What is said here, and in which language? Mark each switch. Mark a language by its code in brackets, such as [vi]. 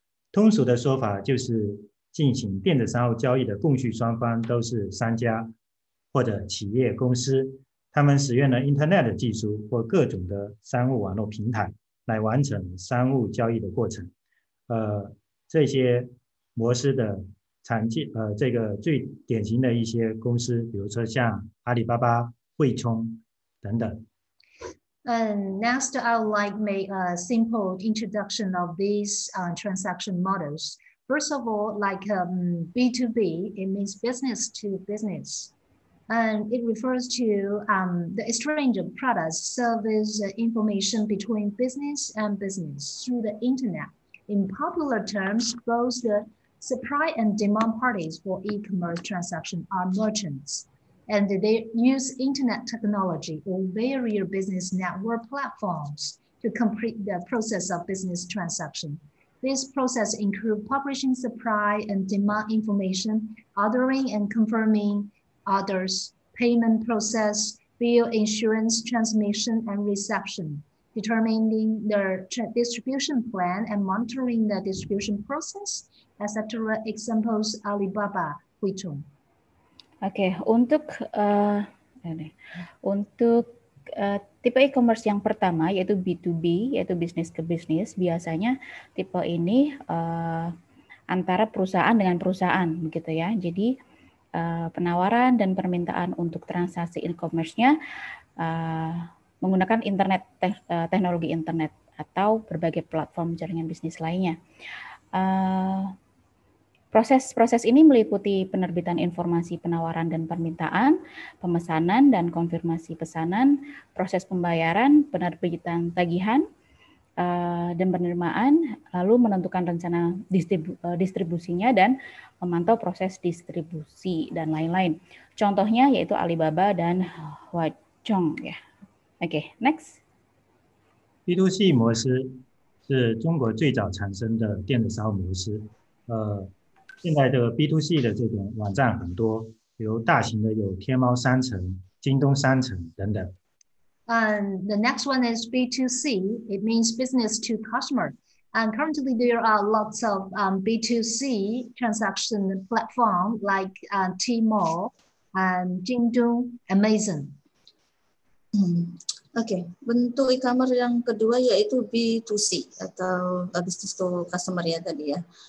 [zh] 通俗的说法就是进行电子商务交易的供需双方都是商家或者企业公司，他们使用了 Internet 技术或各种的商务网络平台来完成商务交易的过程。这些模式的常见这个最典型的一些公司，比如说像阿里巴巴、汇聪等等。 [en] Next, I would like to make a simple introduction of these transaction models. First of all, like B2B, it means business to business. And it refers to the exchange of products, service, information between business and business through the internet. In popular terms, both the supply and demand parties for e-commerce transactions are merchants, and they use internet technology or various business network platforms to complete the process of business transaction. This process includes publishing supply and demand information, ordering and confirming orders, payment process, bill insurance transmission and reception, determining the distribution plan and monitoring the distribution process, etc. Examples Alibaba, Huichong. [id] Okay, untuk tipe e-commerce yang pertama yaitu B2B, yaitu business to business, biasanya tipe ini antara perusahaan dengan perusahaan, begitu ya. Jadi penawaran dan permintaan untuk transaksi e-commerce-nya menggunakan internet, teknologi internet atau berbagai platform jaringan bisnis lainnya. Proses-proses ini meliputi penerbitan informasi penawaran dan permintaan, pemesanan dan konfirmasi pesanan, proses pembayaran, penerbitan tagihan, dan penerimaan, lalu menentukan rencana distribusinya dan memantau proses distribusi dan lain-lain. Contohnya yaitu Alibaba dan Huaichong ya. [en] Okay, next. [zh] B2C 模式是中国最早产生的电子商务模式。现在的 B2C 的这种网站很多，比如大型的有天猫商城、京东商城等等。 [en] The next one is B2C. It means business to customer. And currently there are lots of B2C transaction platform like Tmall, Jingdong, Amazon. [id] Okay, bentuk e-commerce yang kedua yaitu B2C atau business to customer ya tadi ya.